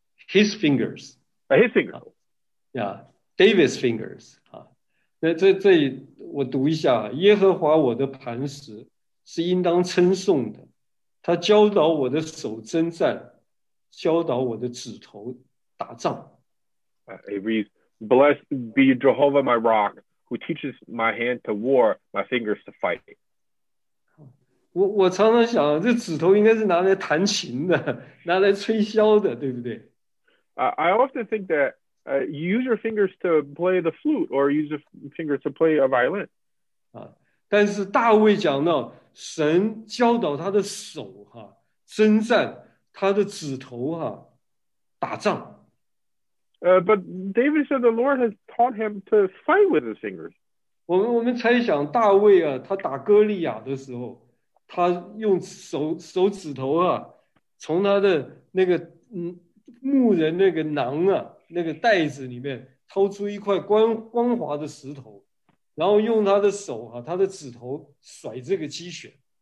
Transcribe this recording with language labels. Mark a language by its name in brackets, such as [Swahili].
[English] His fingers. His fingers. Yeah, David's fingers. [Chinese] 这里我读一下，耶和华我的磐石是应当称颂的，他教导我的手征战，教导我的指头打仗。 [English] It reads, Blessed be Jehovah my rock, who teaches my hand to war, my fingers to fight. [Chinese] 我常常想，这指头应该是拿来弹琴的，拿来吹箫的，对不对？ [English] I often think that use your fingers to play the flute or use your fingers to play a violin. [Chinese] 但是大卫讲到神教导他的手征战，他的指头打仗。 [English] But David said the Lord has taught him to fight with his fingers. [Chinese] 我们猜想大卫他打歌利亚的时候，他用手指头从他的那个牧人那个囊那个袋子里面掏出一块光滑的石头，然后用他的手他的指头甩这个鸡血。